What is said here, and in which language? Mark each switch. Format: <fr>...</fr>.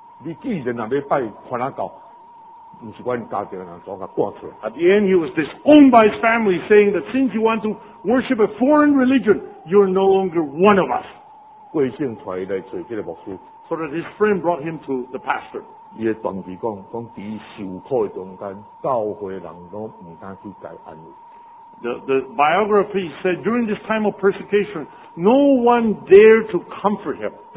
<en>at the end, he was disowned by his family, saying that since you want to worship a foreign religion, you're no longer one of us. So that his friend brought him to the pastor.</en> <zh>他的传记说,在受苦的中间,</zh> <en>the biography said, during this time of persecution, no one dared to comfort him.</en>